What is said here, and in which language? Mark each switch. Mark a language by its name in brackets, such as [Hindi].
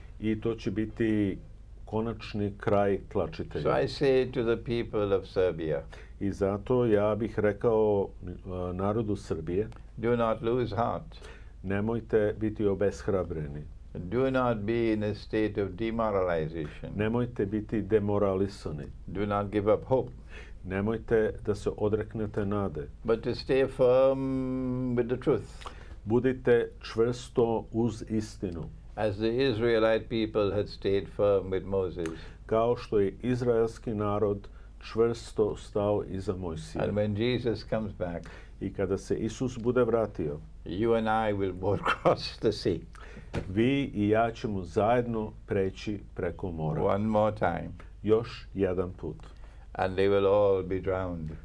[Serbian] I to će biti konačni kraj tlačitelja. [English] So I say to the people of Serbia. [Serbian] I zato ja bih rekao narodu Srbije. [English] Do not lose heart. [Serbian] Nemojte biti obeshrabreni. [English] Do not be in a state of demoralization. [Serbian] Nemojte biti demoralisani. [English] Do not give up hope. [Serbian] Nemojte da se odreknete nade. [English] But to stay firm with the truth. [Serbian] Budite čvrsto uz istinu. [English] As the Israelite people had stayed firm with Moses. [Serbian] Kao što je izraelski narod čvrsto stao iza Mojsija. [English] And when Jesus comes back. [Serbian] I kada se Isus bude vratio. [English] You and I will both cross the sea. [Serbian] Vi i ja ćemo zajedno preći preko mora. [English] One more time. [Serbian] Još jedan put. [English] And they will all be drowned.